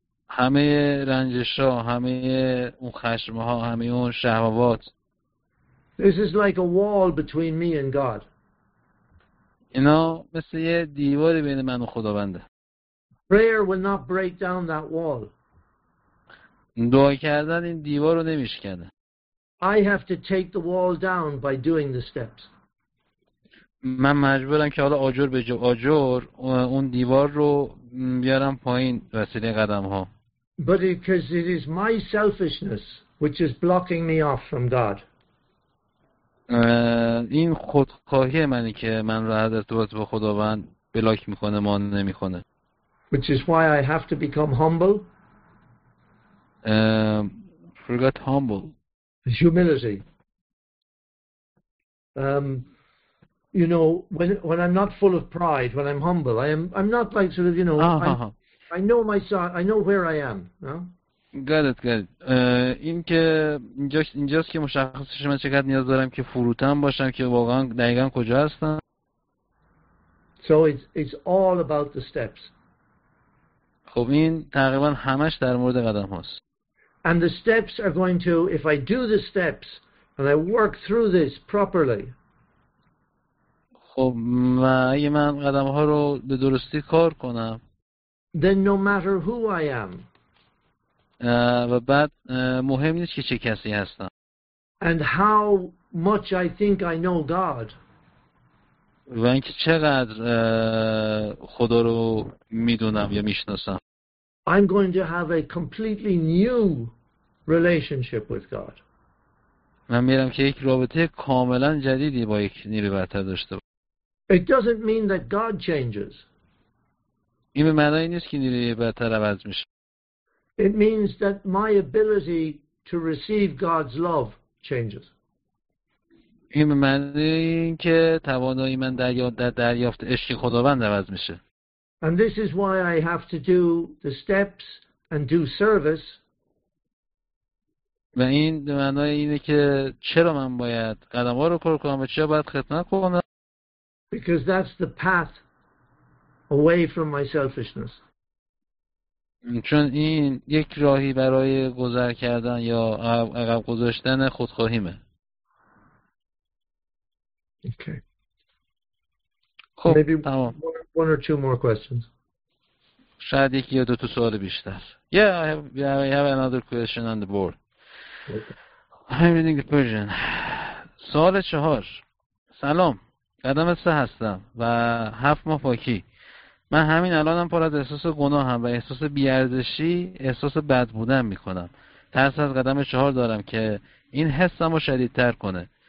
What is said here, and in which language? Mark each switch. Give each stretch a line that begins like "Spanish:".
Persian: همه رنجش ها، همه اون خشم ها، همه اون شهوات.
English: This is like a wall between me and God.
Persian: اینا مثل یه دیواری بین من و خداونده.
English: Prayer will not break down that wall.
Persian: دعا کردن این دیوار رو نمیشکنه.
English: I have to take the wall down by doing the steps.
Persian: من مجبورم که حالا آجر به آجر اون دیوار رو بیارم پایین وسیله قدم ها.
English: But because it is my selfishness which is blocking me off from God.
Persian: این خودخواهی منی که من را از ارتباط با خداوند بلاک میکنه، مانع نمیکنه.
English: Which is why I have to become humble. Forgot humble. Humility. You know, when I'm not full of pride, when I'm humble, I'm not like sort of, you know, I know my son, I know where I am. No? Got it.
Persian: این که اینجاست که مشخصش من چقدر نیاز دارم که فروتن باشم که واقعا دقیقا کجا هستم.
English: So it's all about the steps.
Persian: خب این تقریبا همش در مورد قدم هاست.
English: And the steps are going to, if I do the steps and I work through this properly.
Persian: خب و اگه من قدم ها رو به درستی کار کنم.
English: Then no matter who I am.
Persian: و بعد مهم نیست که چه کسی هستم.
English: And how much I think I know God.
Persian: و اینکه چقدر خدا رو میدونم یا میشناسم.
English: I'm going to have a completely new relationship with God.
Persian: من میرم که یک رابطه کاملا جدیدی با یک نیروی برتر داشته باشم.
English: It doesn't mean that God changes.
Persian: این به معنی نیست که نیروی برتر عوض میشه.
English: It means that my ability to receive God's love changes.
Persian: این به معنی که توانایی من در دریافت عشق خداوند عوض میشه.
English: And this is why I have to do the steps and do service.
Persian: و این به معنای اینه که چرا من باید قدم ها رو کار کنم و چرا باید خدمت کنم.
English: Because that's the path away from my selfishness.
Persian: چون این یک راهی برای گذر کردن یا عقب گذاشتن خودخواهیمه.
English: Okay.
Persian: خب
English: maybe
Persian: تمام.
English: One or two more questions.
Persian: شاید یکی یا دو تا سوال بیشتر.
English: Yeah, I have another question on the board. Okay. I'm reading the Persian.
Persian: سوال چهار. سلام، قدم سه هستم و هفت ماه پاکی. من همین الانم پر از احساس گناهم و احساس بیارزشی، احساس بد بودن میکنم. ترس از قدم چهار دارم که این حسم رو شدیدتر کنه.